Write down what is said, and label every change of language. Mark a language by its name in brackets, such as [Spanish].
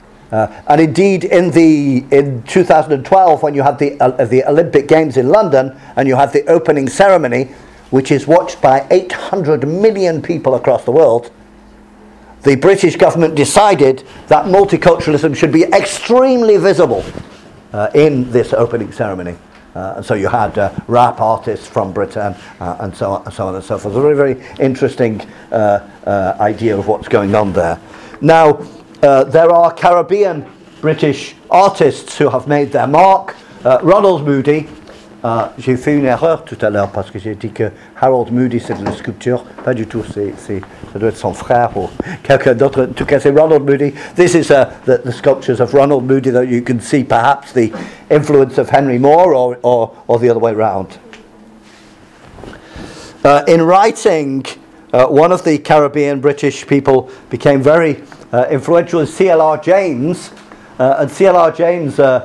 [English] And indeed, in 2012, when you had the Olympic Games in London and you had the opening ceremony, which is watched by 800 million people across the world, the British government decided that multiculturalism should be extremely visible in this opening ceremony. And so you had rap artists from Britain and so on and so forth. A very, very interesting idea of what's going on there. Now, there are Caribbean British artists who have made their mark. Ronald Moody. [French] J'ai fait une erreur tout à l'heure parce que j'ai dit que Harold Moody c'est une sculpture. Pas du tout, ça doit être son frère ou quelqu'un d'autre. En tout cas, c'est Ronald Moody. [English] This is the sculptures of Ronald Moody that you can see perhaps the influence of Henry Moore or the other way around. In writing, one of the Caribbean British people became very influential is C.L.R. James. And C.L.R. James...